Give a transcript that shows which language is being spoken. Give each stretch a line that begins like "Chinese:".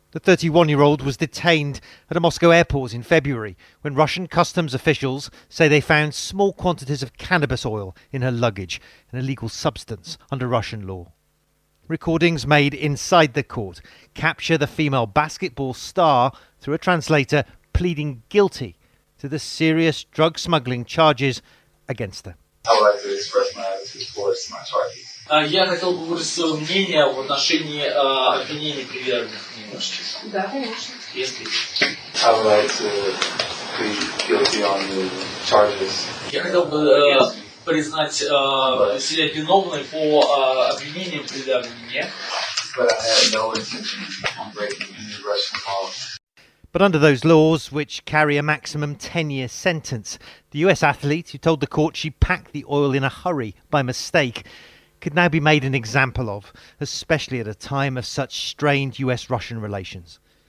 English: The 31-year-old was detained at a Moscow airport in February when Russian customs officials say they found small quantities of cannabis oil in her luggage, an illegal substance under Russian law. Recordings made inside the court capture the female basketball star, through a translator, pleading guilty to the serious drug smuggling charges against her. I'd like to express my attitude towards my charges.
Russian: Я хотел бы выразить свое мнение в отношении обвинений, приверженных мне. Да, конечно. Если.
English: I would like to plead guilty on the charges.
Russian: Я хотел бы признать себя виновным по обвинениям, предъявленным мне.
English: But I have no intention on breaking any Russian policy. But under those laws, which carry a maximum 10-year sentence, the US athlete who told the court she packed the oil in a hurry by mistake could now be made an example of, especially at a time of such strained US-Russian relations.